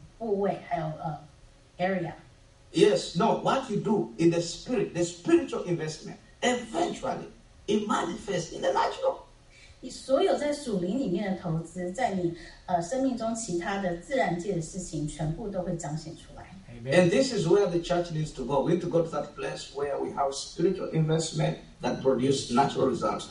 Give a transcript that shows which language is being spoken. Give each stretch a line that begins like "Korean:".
Chinese: 但是呢，在灵里面的东西才是一切的最基本和根本。你在灵里面做的事情，会彰显到你生命中其他的部位，还有area。
English: Yes, no, what you do in the spiritual investment, eventually, it manifests in the natural.
Chinese: 你所有在属灵里面的投资，在你生命中其他的自然界的事情，全部都会彰显出来。
English: Amen. And this is where the church needs to go. We need to go to that place where we have spiritual investment that produces natural results.